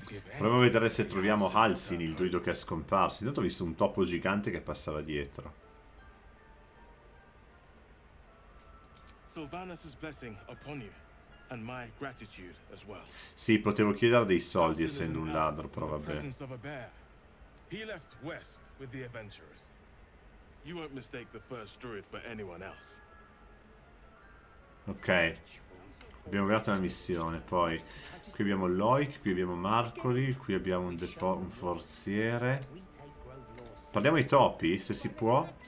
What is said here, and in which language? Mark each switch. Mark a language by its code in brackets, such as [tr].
[it] Proviamo a vedere se troviamo Halsin, il druido che è scomparso. Intanto ho visto un topo gigante che passava dietro. [en] Sylvanas's blessing upon you, and my gratitude as well. [it] Sì, potevo chiedere dei soldi essendo un ladro, però vabbè. [en] He left west with the adventurers. You won't mistake the first druid for anyone else. Ok. [it] Abbiamo avviato una missione, poi qui abbiamo Loic, qui abbiamo Marcoli, qui abbiamo un forziere. Parliamo ai topi, se si può.